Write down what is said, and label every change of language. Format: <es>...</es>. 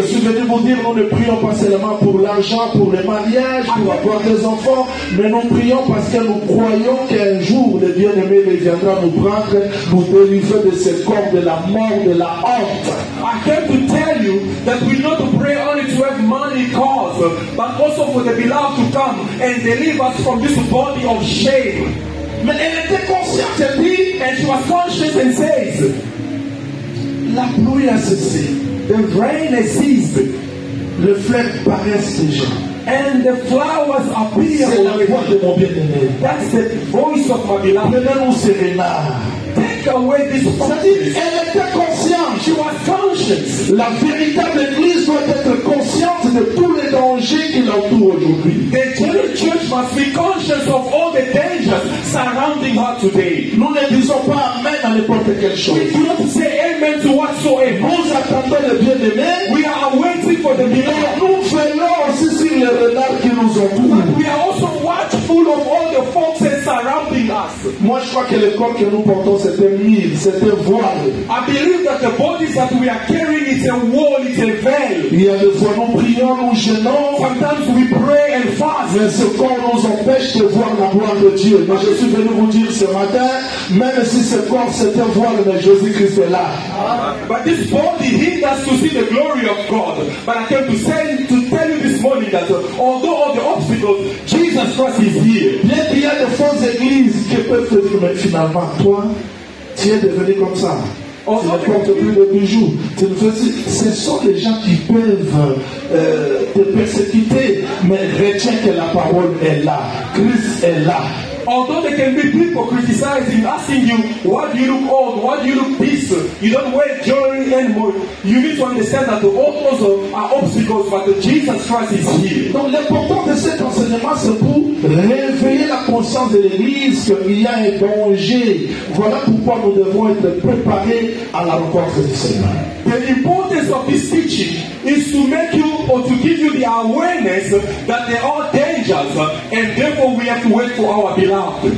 <fr>Je suis venu vous dire, nous ne prions pas seulement pour l'argent, pour le mariage, pour avoir des enfants, mais nous prions parce que nous croyons qu'un jour le bien-aimé viendra nous prendre, nous délivrer de ce corps de la mort, de la honte.</fr> <en>I came to tell you that we not pray only to have money cause, but also for the beloved to come and deliver us from this body of shame.</en> <fr>Mais elle était consciente,</fr> <en>and she was conscious and says,</en> <fr>la pluie a cessé,</fr> <en>the rain has ceased,</en> <fr>le fleuve paraît déjà.</fr> <en>And the flowers appear.</en> <fr>C'est la voix de mon bien-aimé.</fr> <en>That's the voice of my beloved.</en> <fr>Mais nous serons là.</fr> <en>Take away this prophecy.</en> <fr>Elle était consciente.</fr> <en>She was conscious.</en> <fr>La véritable église doit être consciente de tous les dangers qui l'entourent aujourd'hui.</fr> <en>The general church must be conscious of all the dangers surrounding her today.</en> <fr>Nous ne disons pas amen à n'importe quelle chose.</fr> <en>We do not say amen to whatsoever.</en> <fr>Nous attendons le bien-aimé.</fr> <en>We are waiting for the beloved.</en> <fr>Nous venons aussi sur les renards qui nous entourent.</fr> <en>We are also watchful of all the foxes surrounding us.</en> <fr>Moi, je crois que le corps que nous portons, c'est un mur, c'est un voile.</fr> <en>I believe that the bodies that we are carrying is a wall, it's a veil.</en> <fr>Il y a des fois, nous prions, nous jeûnons.</fr> <en>Sometimes we pray and fast.</en> <fr>Mais ce corps nous empêche de voir la gloire de Dieu. Mais je suis venu vous dire ce matin, même si ce corps c'est un voile, mais Jésus-Christ est là.</fr> <en>But this body hinders to see the glory of God. But I came to tell you this morning that although all the obstacles, Jesus Christ is here.</en> <fr>Il y a des fausses églises qui peuvent te dire, mais finalement, toi, tu es devenu comme ça. Tu ne portes plus de bijoux. Ce sont les gens qui peuvent te persécuter, mais retiens que la parole est là. Christ est là.</fr> <en>Although there can be people criticizing, asking you, why do you look old? Why do you look this? You don't wear jewelry anymore. You need to understand that all those are obstacles, but Jesus Christ is here.</en> <fr>Donc l'important de cet enseignement, c'est pour réveiller la conscience de l'Église qu'il y a un danger. Voilà pourquoi nous devons être préparés à la rencontre du Seigneur.</fr> <en>The importance of this teaching is to make you or to give you the awareness that there are dangers and therefore we have to wait for our beloved.</en>